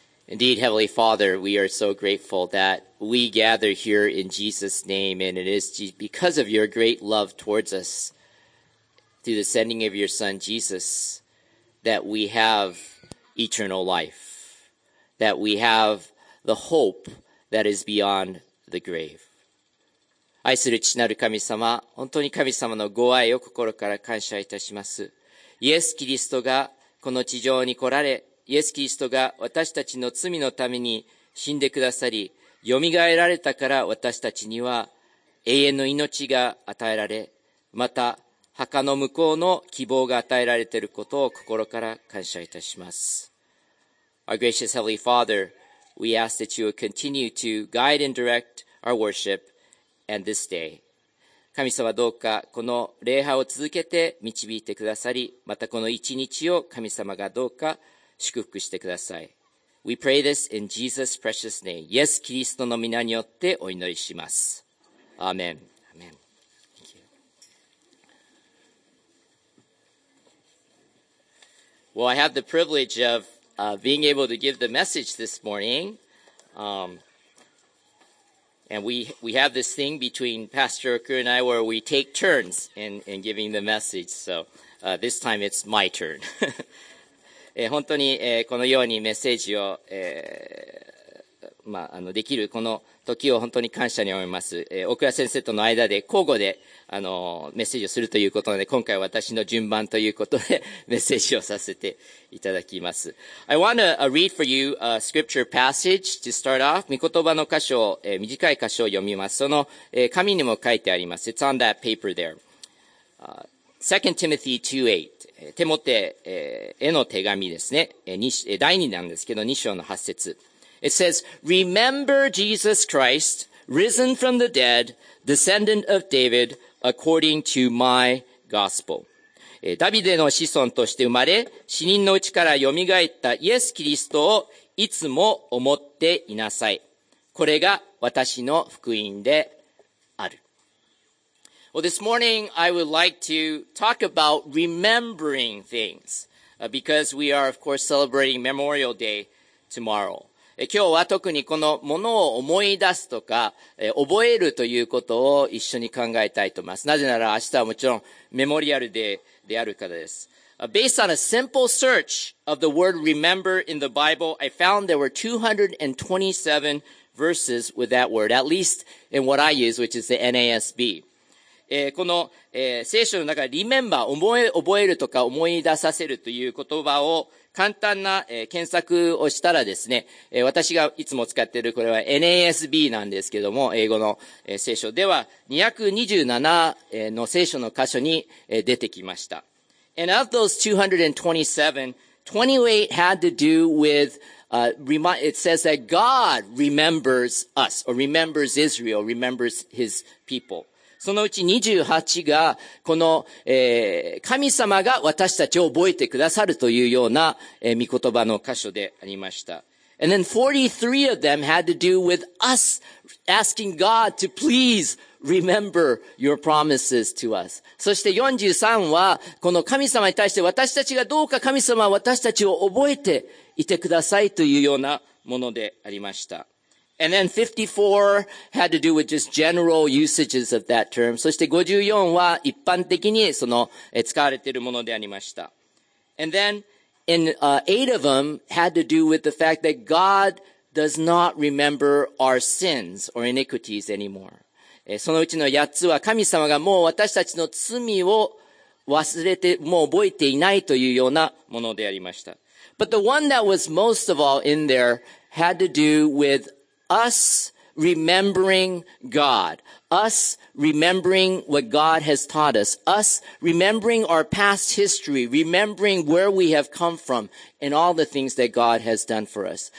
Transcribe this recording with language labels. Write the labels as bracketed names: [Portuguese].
[English] Indeed, Heavenly Father, we are so grateful that we gather here in Jesus' name, and it is because of your great love towards us through the sending of your Son, Jesus, that we have eternal life, that we have the hope that is beyond the grave. [Japanese] 愛する父なる神様、本当に神様のご愛を心から感謝いたします。イエス・キリストがこの地上に来られ、イエス・キリストが私たちの罪のために死んでくださり、蘇られたから私たちには永遠の命が与えられ、また墓の向こうの希望が与えられていることを心から感謝いたします。 [English] Our gracious Heavenly Father, we ask that you will continue to guide and direct our worship and this day. [Japanese] 神様どうかこの礼拝を続けて導いてくださり、またこの一日を神様がどうか祝福してください。 [English] We pray this in Jesus' precious name. [Japanese] イエス・キリストの名によってお祈りします。アーメン。アーメン。 [English] Thank you. Well, I have the privilege of being able to give the message this morning. And we have this thing between Pastor Okura and I where we take turns in giving the message. So this time it's my turn. [Japanese] 本当にこのようにメッセージを、まあ、できるこの時を本当に感謝に思います。大倉先生との間で交互でメッセージをするということなので、今回私の順番ということでメッセージをさせていただきます。 [English] I want to read for you a scripture passage to start off. [Japanese] 御言葉の箇所を、短い箇所を読みます。その、紙にも書いてあります。 [English] It's on that paper there. 2 Timothy 2:8. [Japanese] テモテへの手紙ですね。第2なんですけど、2章の8節。 [English] It says, Remember Jesus Christ, risen from the dead, descendant of David, according to my gospel. [Japanese] ダビデの子孫として生まれ、死人のうちから蘇ったイエス・キリストをいつも思っていなさい。これが私の福音である。 [English] Well, this morning, I would like to talk about remembering things, because we are, of course, celebrating Memorial Day tomorrow. [Japanese] 今日は特にこのものを思い出すとか、覚えるということを一緒に考えたいと思います。なぜなら明日はもちろんメモリアルデーであるからです。 [English] Based on a simple search of the word remember in the Bible, I found there were 227 verses with that word, at least in what I use, which is the NASB. [Japanese] この、聖書の中で remember 覚えるとか思い出させるという言葉を簡単な、検索をしたらですね、私がいつも使っているこれは NASB なんですけども英語の、聖書では227、の聖書の箇所に、出てきました。 [English] And of those 227, 28 had to do with it says that God remembers us or remembers Israel, remembers His people. [Japanese] そのうち28がこの、神様が私たちを覚えてくださるというような、御言葉の箇所でありました。 [English] And then 43 of them had to do with us asking God to please remember your promises to us. [Japanese] そして43はこの神様に対して私たちがどうか神様は私たちを覚えていてくださいというようなものでありました。 [English] And then 54 had to do with just general usages of that term. [Japanese] そして54は一般的にその使われているものでありました。 [English] And then in 8 of them had to do with the fact that God does not remember our sins or iniquities anymore. [Japanese] そのうちの8つは神様がもう私たちの罪を忘れて、もう覚えていないというようなものでありました。 [English] But the one that was most of all in there had to do withUs remembering God, us remembering what God has taught us, us remembering our past history, remembering where we have come from, and all the things that God has done for us.